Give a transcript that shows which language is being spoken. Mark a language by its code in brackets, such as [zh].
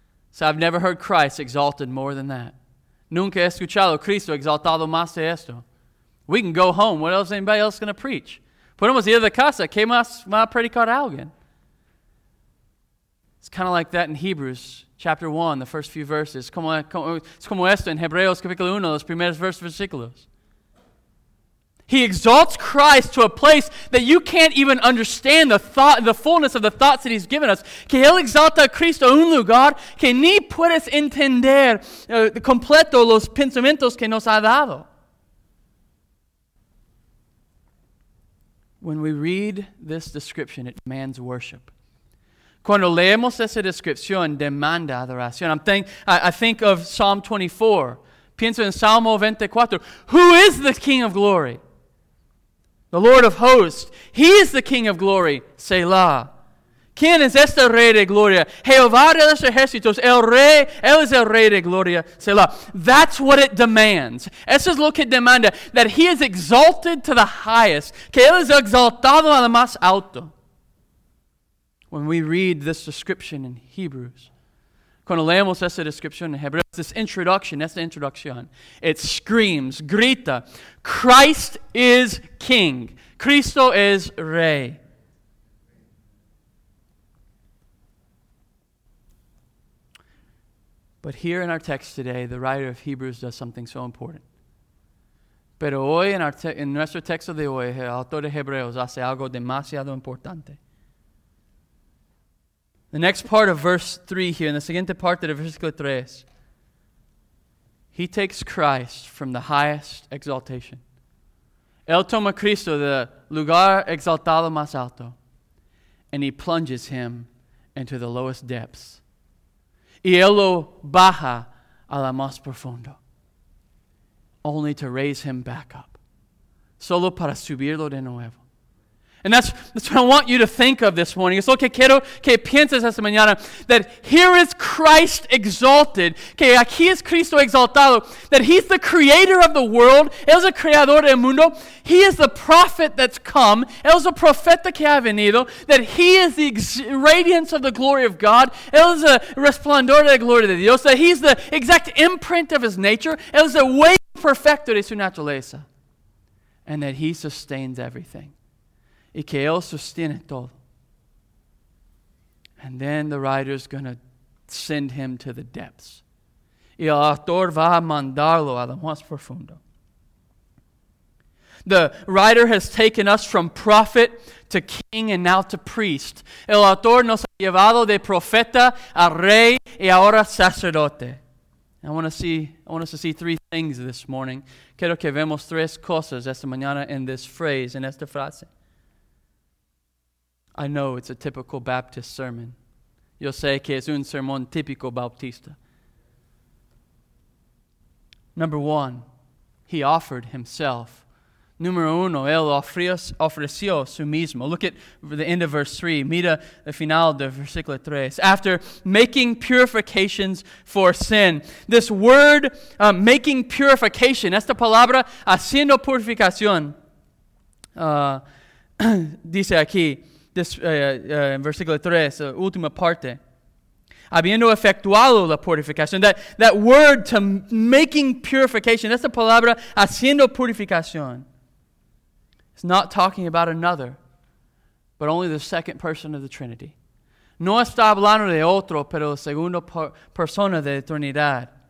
[en] So I've never heard Christ exalted more than that. [es] Nunca he escuchado Cristo exaltado más de esto. [en] We can go home. What else is anybody else going to preach? [es] Podemos ir a la casa. ¿Qué más va a predicar alguien? [en] It's kind of like that in Hebrews chapter 1, the first few verses. [es] Es como esto en Hebreos capítulo 1, los primeros versículos. [en] He exalts Christ to a place that you can't even understand the fullness of the thoughts that He's given us. [es] Que Él exalta a Cristo a un lugar que ni puedes entender completo los pensamientos que nos ha dado. [en] When we read this description, it demands worship. [es] Cuando leemos esa descripción, demanda adoración. [en] I think of Psalm 24. [es] Pienso en Salmo 24. [en] Who is the King of Glory? The Lord of hosts, He is the King of glory, Selah. [es] ¿Quién es este Rey de Gloria? Jehová de los ejércitos, el Rey, Él es el Rey de Gloria, Selah. [en] That's what it demands. [es] Eso es lo que demanda, [en] that He is exalted to the highest. [es] Que Él es exaltado a lo más alto. [en] When we read this description in Hebrews, [es] cuando leemos esa descripción en Hebreos, [en] this introduction, [es] esta introducción, [en] it screams, [es] grita, [en] Christ is King. [es] Cristo es Rey. [en] But here in our text today, the writer of Hebrews does something so important. [es] Pero hoy en nuestro texto de hoy, el autor de Hebreos hace algo demasiado importante. [en] The next part of verse 3 here, in the [es] siguiente parte de versículo 3, [en] He takes Christ from the highest exaltation. [es] Él toma Cristo del lugar exaltado más alto, [en] and He plunges Him into the lowest depths. [es] Y Él lo baja a la más profundo, [en] only to raise Him back up, [es] solo para subirlo de nuevo. [en] And that's what I want you to think of this morning. [es] Es lo que quiero que pienses esta mañana. [en] That here is Christ exalted. [es] Que aquí es Cristo exaltado. [en] That he's the creator of the world. [es] Él es el creador del mundo. [en] He is the prophet that's come. [es] Él es el profeta que ha venido. [en] That he is the radiance of the glory of God. [es] Él es el resplandor de la gloria de Dios. [en] That he's the exact imprint of his nature. [es] Él es el way perfecto de su naturaleza. [en] And that he sustains everything. [es] Y que él sostiene todo. [en] And then the writer's going to send him to the depths. [es] Y el autor va a mandarlo a lo más profundo. [en] The writer has taken us from prophet to king and now to priest. [es] El autor nos ha llevado de profeta a rey y ahora sacerdote. [en] I want us to see three things this morning. [es] Quiero que vemos tres cosas esta mañana [en] in this phrase, [es] in esta frase. [en] I know it's a typical Baptist sermon. [es] Yo sé que es un sermón típico bautista. [en] Number one, he offered himself. [es] Número uno, él ofreció su mismo. [en] Look at the end of verse 3. [es] Mira el final de versículo 3. [en] After making purifications for sin. This word, making purification. [es] Esta palabra, haciendo purificación. dice aquí. En versículo 3, última parte. Habiendo efectuado la purificación. [en] That word to making purification. [es] Esa palabra, haciendo purificación. [en] It's not talking about another, but only the second person of the Trinity. [es] No está hablando de otro, pero la segunda persona de la Trinidad.